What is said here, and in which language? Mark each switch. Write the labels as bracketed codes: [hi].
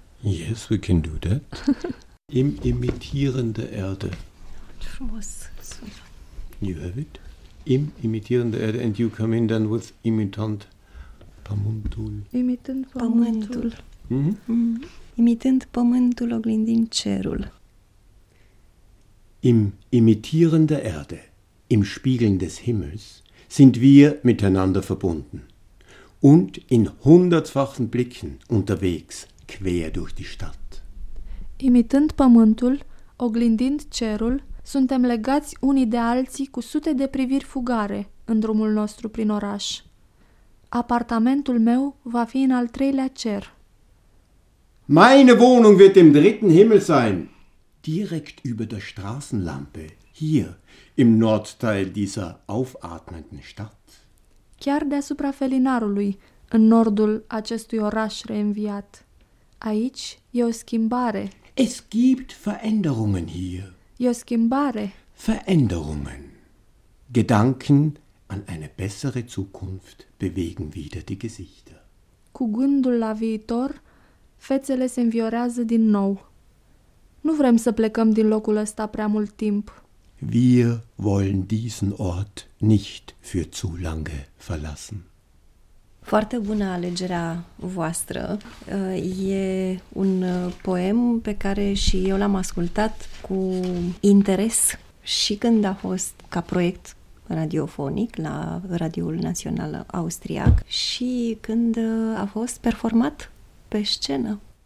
[en] Yes, we can do that. [de] Im imitierende Erde. [ro] Ce frumos. [en] You have it? [de] Im imitierende Erde [en] and you come in then with [ro] imitant pământul. Imitând pământul. Imitând pământul oglindind cerul. [de] Im imitieren der Erde, im Spiegeln des Himmels, sind wir miteinander verbunden und in hundertfachen Blicken unterwegs quer durch die Stadt. [ro] Imitând pământul oglindind cerul, suntem legați unii de alții cu sute de priviri fugare în drumul nostru prin oraș. Apartamentul meu va fi în al treilea cer. [de] Meine Wohnung wird im dritten Himmel sein. Direkt über der Straßenlampe, hier im Nordteil dieser aufatmenden Stadt. [ro] Chiar deasupra felinarului, în nordul acestui oraș reînviat. Aici e o schimbare. [de] Es gibt Veränderungen hier. [ro] E o schimbare. [de] Veränderungen. Gedanken an eine bessere Zukunft bewegen wieder die Gesichter. [ro] Cu gândul la viitor, fețele se înviorează din nou. Nu vrem să plecăm din locul ăsta prea mult timp. [de] Wir wollen diesen Ort nicht für zu lange verlassen. [ro] Foarte bună alegerea voastră. E un poem pe care și eu l-am ascultat cu interes și când a fost ca proiect radiofonic la Radioul Național Austriac și când a fost performat pe scenă.